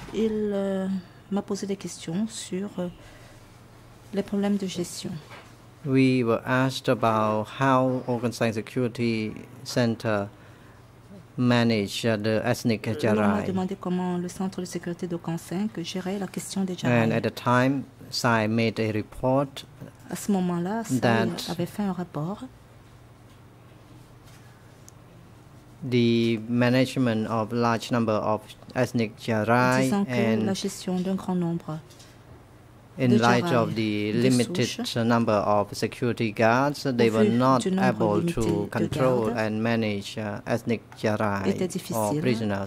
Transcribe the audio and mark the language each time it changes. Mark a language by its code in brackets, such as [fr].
[fr] Il m'a posé des questions sur les problèmes de gestion. [en] We were asked about how Organ Security Center manage the ethnic Jarai. [fr] On m'a demandé comment le centre de sécurité de Khon Saen gérait la question des Jarai. [en] And at the time, Sai made a report. [fr] À ce moment-là, Sai avait fait un rapport. [en] The management of large number of ethnic Jarai and [fr] la gestion d'un grand nombre. [en] In light of the limited number of security guards, they were not able to control and manage ethnic Jarai or prisoners.